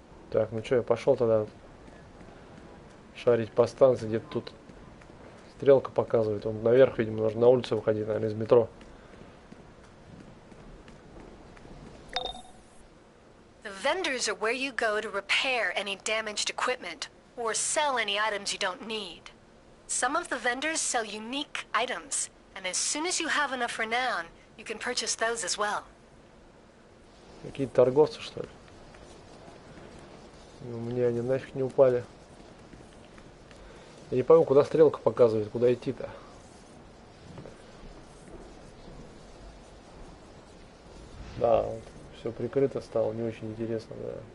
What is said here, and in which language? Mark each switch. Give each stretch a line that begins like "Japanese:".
Russian: Так, ну что, я пошел тогда шарить по станции, где-то тут стрелка показывает. Он наверх, видимо, нужно на улицу выходить, наверное, из метро.
English: Vendors are where you go to repair any damaged equipment or sell any items you don't need. Some of the vendors sell unique items, and as soon as you have enough renown, you can purchase those as well.
Russian: Какие торговцы, что ли? Ну, мне они нафиг не упали. Я не пойму, куда стрелка показывает, куда идти-то. Да. Все прикрыто стало, не очень интересно, да.